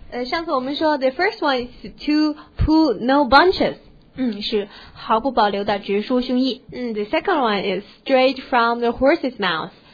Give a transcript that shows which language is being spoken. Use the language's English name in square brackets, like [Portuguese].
[Chinese] 上次我们说 [English] the first one is to pull no bunches. [Chinese] 是毫不保留的直抒胸臆。 [English] The second one is straight from the horse's mouth.